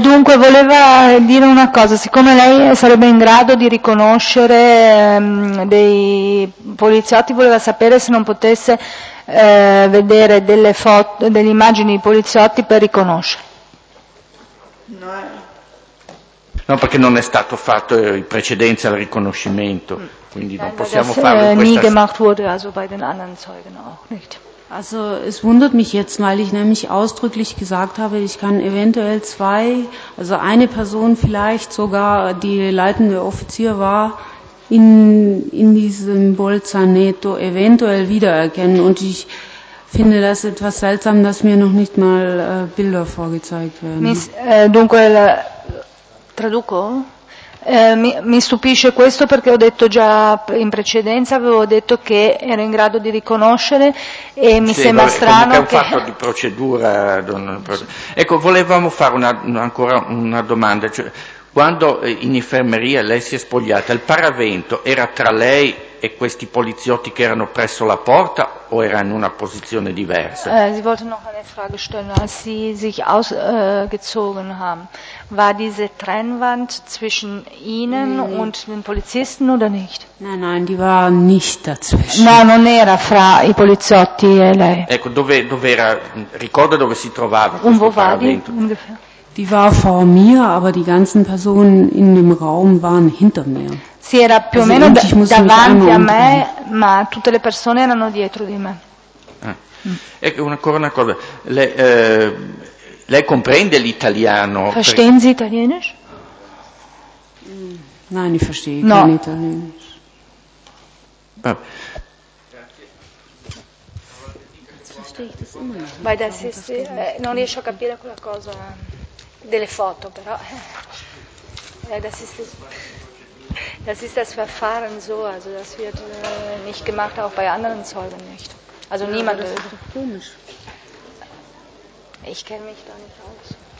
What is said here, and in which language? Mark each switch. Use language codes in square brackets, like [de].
[it] Dunque voleva dire una cosa, siccome lei sarebbe in grado di riconoscere dei poliziotti, voleva sapere se non potesse vedere delle foto, delle immagini di poliziotti per riconoscere. No, perché non è stato fatto in precedenza il riconoscimento. Quindi non possiamo fare questa... [de] nie gemacht wurde, also bei den anderen Zeugen auch nicht. Also es wundert mich jetzt, weil ich nämlich ausdrücklich gesagt habe, ich kann eventuell zwei, also eine Person vielleicht sogar, die leitende Offizier war, in diesem Bolzaneto eventuell wiedererkennen. Und ich finde das etwas seltsam, dass mir noch nicht mal Bilder vorgezeigt werden. [it] Traduco? Mi stupisce questo perché ho detto già in precedenza, avevo detto che ero in grado di riconoscere e mi sembra strano che... è un fatto di procedura. Ecco, volevamo fare ancora una domanda. Cioè, quando in infermeria lei si è spogliata, il paravento era tra lei e questi poliziotti che erano presso la porta o era in una posizione diversa? [de] Sie wollte noch eine Frage stellen, als sie sich ausgezogen haben. War diese Trennwand zwischen Ihnen und den Polizisten oder nicht? Nein, die war nicht dazwischen. [it] No, non era fra i poliziotti e lei. Ecco, dove era, ricorda dove si trovava questo paravento? [de] Und wo war die ungefähr? Die war vor mir, aber die ganzen Personen in dem Raum waren hinter mir. [it] Sì, era più o meno davanti a me, ma tutte le persone erano dietro di me. Ecco, ancora una cosa. Lei comprende l'italiano? [de] Verstehen Sie Italienisch? Nein, ich verstehe kein Italienisch. [it] Vai da sé, non riesco a capire quella cosa delle foto, però. Vai da sé. [de] Das ist das Verfahren so, also das wird nicht gemacht, auch bei anderen Zeugen nicht. Also ja, niemand. Das ist doch komisch. Ich kenne mich da nicht aus.